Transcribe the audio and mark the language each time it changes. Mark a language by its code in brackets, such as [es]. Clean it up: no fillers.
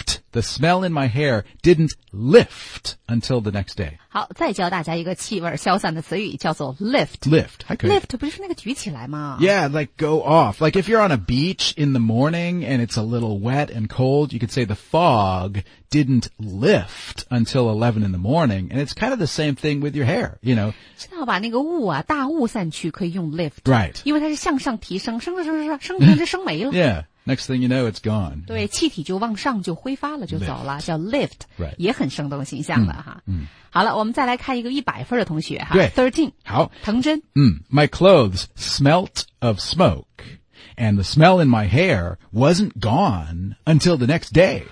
[en] The smell in my hair didn't lift until the next day. [zh] 好，再教大家一个气味消散的词语，叫做 lift. [en] Lift. [zh] Lift 不是那个举起来吗？ [en] Yeah, like go off. Like if you're on a beach in the morning and it's a little wet and cold, you could say the fog didn't lift until 11 in the morning. And it's kind of the same thing with your hair, you know. [zh] 知道吧，那个雾啊，大雾散去可以用 lift. [en] Right. [zh] 因为它是向上提升，升着升着升着升没了。 [en] Yeah. Next thing you know, it's gone. [zh] 对，气体就往上就挥发了，就走了，叫 lift. [en] Right. [zh] 也很生动形象了哈。嗯。好了，我们再来看一个100分的同学哈。对。 13. 好。藤真。嗯。 [en] My clothes smelt of smoke, and the smell in my hair wasn't gone until the next day.